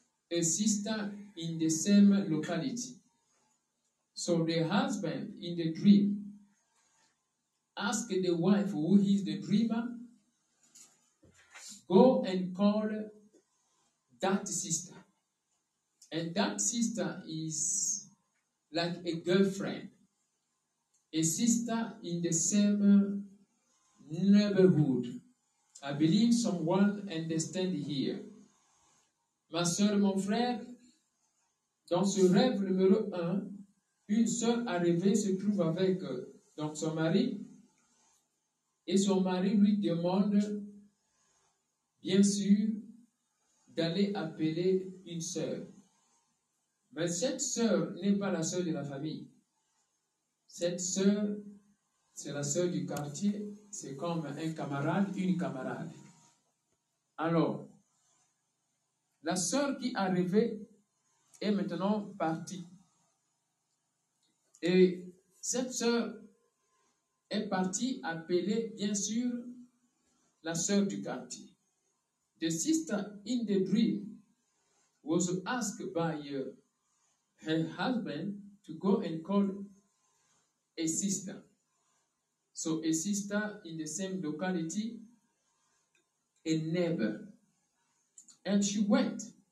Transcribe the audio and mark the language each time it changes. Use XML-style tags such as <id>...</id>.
<en>A sister in the same locality. So the husband in the dream ask the wife who is the dreamer, go and call that sister. And that sister is like a girlfriend, a sister in the same neighborhood. I believe someone understands here.</en> <fr>Ma soeur, mon frère, dans ce rêve numéro 1, une soeur arrivée se trouve avec donc son mari. Et son mari lui demande, bien sûr, d'aller appeler une sœur. Mais cette sœur n'est pas la sœur de la famille. Cette sœur C'est la sœur du quartier, c'est comme un camarade, une camarade. Alors, la sœur qui arrivait est maintenant partie. Et cette sœur est partie appeler, bien sûr, la sœur du quartier.</fr> <en>The sister in the dream was asked by her husband to go and call a sister. So a sister in the same locality, a neighbor. And she went.</en>